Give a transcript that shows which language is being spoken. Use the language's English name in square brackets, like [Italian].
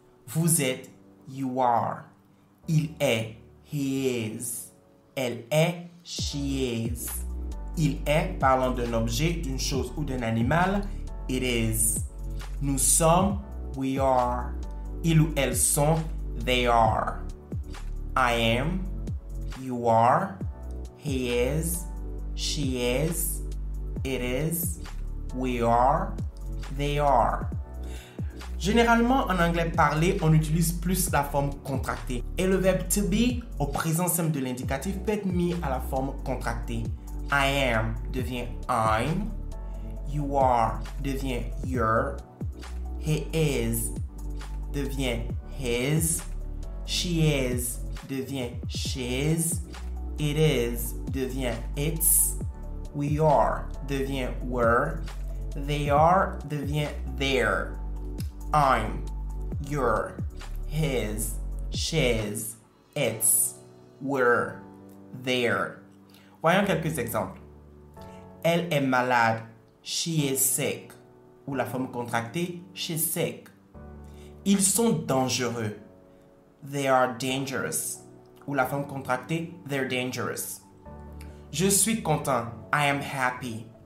[French] Vous êtes, [English] you are. [French] Il est, [English] he is. [French] Elle est, [English] she is. [French] Il est, parlant d'un objet, d'une chose ou d'un animal, [English] it is. [French] Nous sommes, [English] we are. [French] Ils ou elles sont, [English] they are. I am, you are, he is, she is, it is, we are, they are. [French] Généralement, en anglais parlé, on utilise plus la forme contractée. Et le verbe to be, au présent simple de l'indicatif, peut être mis à la forme contractée. I am devient I'm, you are devient you're, he is devient his, she is devient she's, it is devient it's, we are devient we're, they are devient their. [English] I'm, you're, his, she's, it's, we're, they're. [French] Voyons quelques exemples. Elle est malade. [English] She is sick. [French] Ou la forme contractée, [English] she's sick. [French] Ils sont dangereux. [English] They are dangerous. [French] Ou la forme contractée, [English] they're dangerous. [French] Je suis content. [English] I am happy.